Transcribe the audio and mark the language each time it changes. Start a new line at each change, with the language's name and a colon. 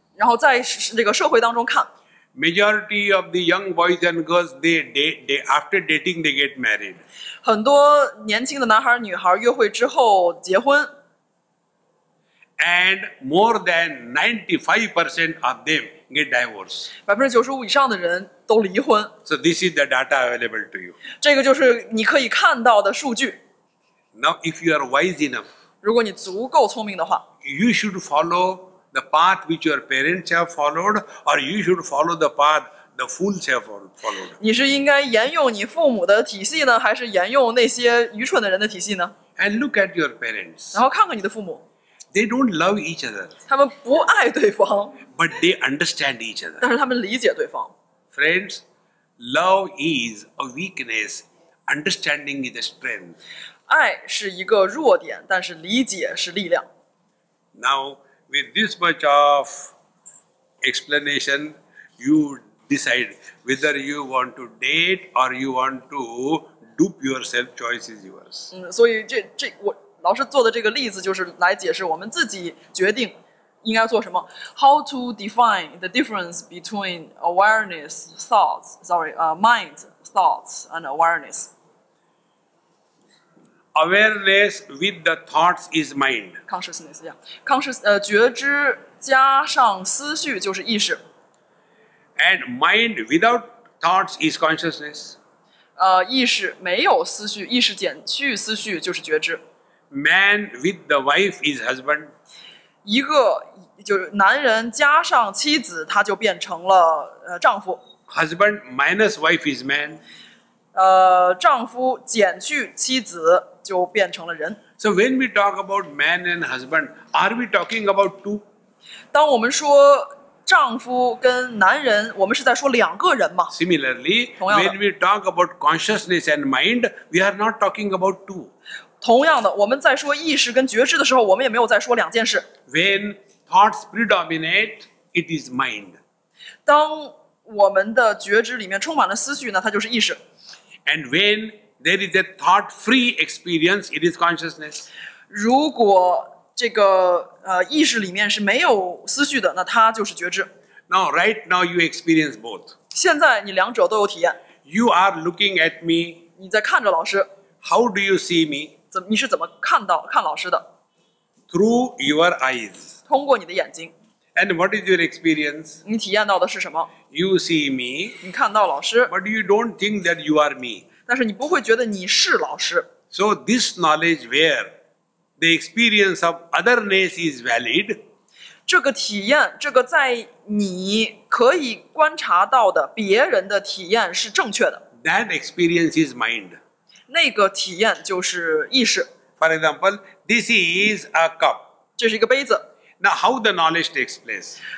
Chinese: 然后在这个社会当中看
English: ，majority of the young boys and girls they after dating they get married。
Chinese: 很多年轻的男孩女孩约会之后结婚。
English: And more than 95% of them get divorced。
Chinese: 95%以上的人都离婚。
English: So this is the data available to you。
Chinese: 这个就是你可以看到的数据。
English: Now if you are wise enough，
Chinese: 如果你足够聪明的话
English: ，you should follow。 The path which your parents have followed, or you should follow the path the fools have followed.
Chinese: 你是应该沿用你父母的体系呢，还是沿用那些愚蠢的人的体系呢
English: ？And look at your parents.
Chinese: 然后看看你的父母。
English: They don't love each other.
Chinese: 他们不爱对方。
English: But they understand each other.
Chinese: 但是他们理解对方。
English: Friends, love is a weakness. Understanding is a strength.
Chinese: 爱是一个弱点，但是理解是力量。
English: Now. With this much of explanation, you decide whether you want to date or you want to dupe yourself. Choice is yours.
Chinese: 所以这我老师做的这个例子就是来解释我们自己决定应该做什么。
English: How to define the difference between awareness thoughts? Sorry, mind thoughts and awareness. Awareness with the thoughts is mind. Consciousness, yeah. Consciousness,
Chinese: 觉知加上思绪就是意识。
English: And mind without thoughts is consciousness.
Chinese: 意识没有思绪，意识减去思绪就是觉知。
English: Man with the wife is husband.
Chinese: 一个就是男人加上妻子，他就变成了丈夫。
English: Husband minus wife is man.
Chinese: 丈夫减去妻子就变成了人。
English: So when we talk about man and husband, are we talking about two?
Chinese: 当我们说丈夫跟男人，我们是在说两个人吗？
English: Similarly, when we talk about consciousness and mind, we are not talking about two.
Chinese: 同样的，我们在说意识跟觉知的时候，我们也没有在说两件事。
English: When thoughts predominate, it is mind.
Chinese: 当我们的觉知里面充满了思绪呢，它就是意识。
English: And when there is a thought-free experience, it is consciousness.
Chinese: 如果这个意识里面是没有思绪的，那它就是觉知。
English: Now, right now you experience both.
Chinese: 现在你两者都有体验。
English: You are looking at me.
Chinese: 你在看着老师。
English: How do you see me?
Chinese: 你是怎么看老师的？
English: Through your eyes.
Chinese: 通过你的眼睛。
English: And what is your experience?
Chinese: 你体验到的是什么？
English: You see me.
Chinese: 你看到老师。
English: But you don't think that you are me.
Chinese: 但是你不会觉得你是老师。
English: So this knowledge where the experience of otherness is valid.
Chinese: 这个体验，这个在你可以观察到的别人的体验是正确的。
English: That experience is mind.
Chinese: 那个体验就是意识。
English: For example, this is a cup.
Chinese: 这是一个杯子。
English: Now how the knowledge takes place?